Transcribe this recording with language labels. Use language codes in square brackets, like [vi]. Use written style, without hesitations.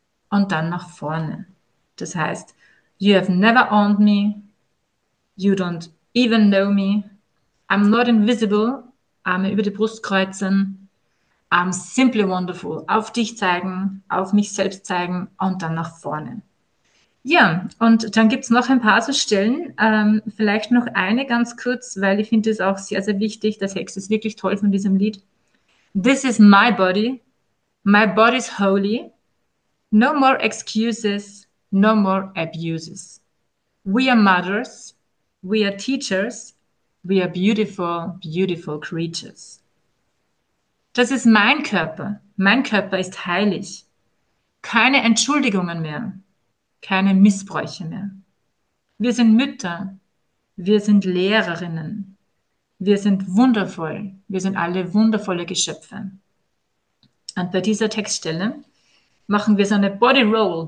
[de] und dann nach vorne. Das heißt, [en] you have never owned me, you don't even know me, I'm not invisible, [de] Arme über die Brust kreuzen, [en] I'm simply wonderful, [de] auf dich zeigen, auf mich selbst zeigen und dann nach vorne. Ja, und dann gibt es noch ein paar so Stellen, vielleicht noch eine ganz kurz, weil ich finde es auch sehr, sehr wichtig, der Text ist wirklich toll von diesem Lied. [en] This is my body, my body's holy, no more excuses, no more abuses. We are mothers, we are teachers, we are beautiful, beautiful creatures. [de] Das ist mein Körper ist heilig. Keine Entschuldigungen mehr. Keine Missbräuche mehr. Wir sind Mütter. Wir sind Lehrerinnen. Wir sind wundervoll. Wir sind alle wundervolle Geschöpfe. Und bei dieser Textstelle machen wir so eine Body Roll.